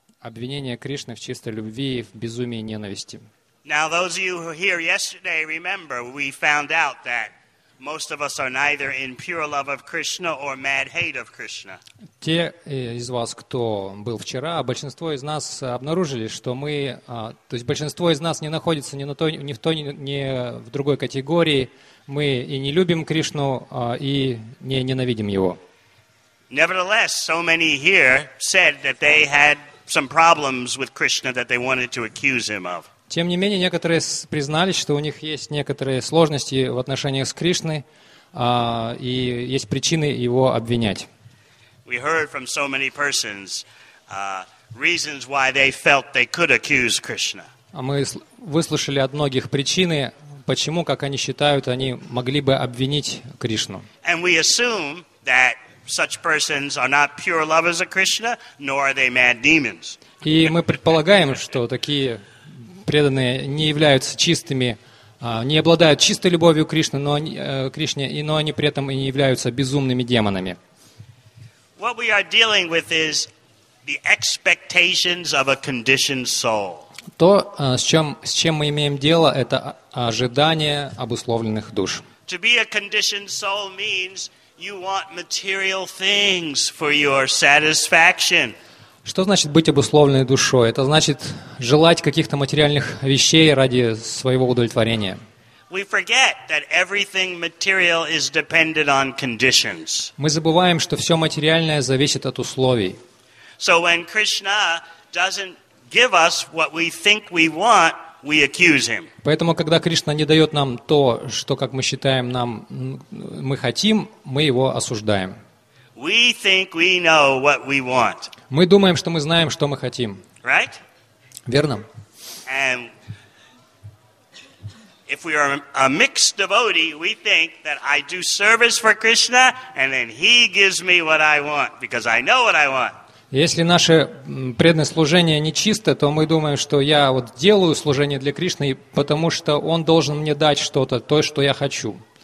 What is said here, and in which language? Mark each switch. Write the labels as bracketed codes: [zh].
[ru] Обвинение Кришны в чистой любви и в безумии ненависти. [en] Now those of you who were here yesterday, remember, we found out that most of us are neither in pure love of Krishna or mad hate of Krishna. [ru] Те из вас, кто был вчера, большинство из нас обнаружили, что мы, то есть большинство из нас не находится ни на той, ни в той, ни в другой категории. Мы и не любим Кришну, и не ненавидим его. [en] Nevertheless, so many here said that they had some problems with Krishna that they wanted to accuse him of. [ru] Тем не менее, некоторые признались, что у них есть некоторые сложности в отношениях с Кришной, и есть причины его обвинять. [en] We heard from so many persons reasons why they felt they could accuse Krishna. [ru] Мы выслушали от многих причины, почему, как они считают, они могли бы обвинить Кришну. [en] And we assume that such persons are not pure lovers of Krishna, nor are they mad demons. [ru] И мы предполагаем, что такие преданные не являются чистыми, не обладают чистой любовью Кришне, но они при этом и не являются безумными демонами. [en] What we are dealing with is the expectations of a conditioned soul. [ru] То, с чем мы имеем дело, это ожидания обусловленных душ. [en] To be a conditioned soul means you want material things for your satisfaction. [ru] Что значит быть обусловленной душой? Это значит желать каких-то материальных вещей ради своего удовлетворения. [en] We forget that everything material is dependent on conditions. [ru] Мы забываем, что все материальное зависит от условий. [en] So when Krishna doesn't give us what we think we want, we accuse him. [ru] Поэтому, когда Кришна не дает нам то, что, как мы считаем, нам мы хотим, мы его осуждаем. [en] We think we know what we want. [ru] Мы думаем, что мы знаем, что мы хотим. [en] Right? [ru] Верно? [en] And if we are a mixed devotee, we think that I do service for Krishna, and then he gives me what I want, because I know what I want. [ru] Если наше преданное служение нечисто, то мы думаем, что я вот делаю служение для Кришны, потому что Он должен мне дать что-то, то, что я хочу.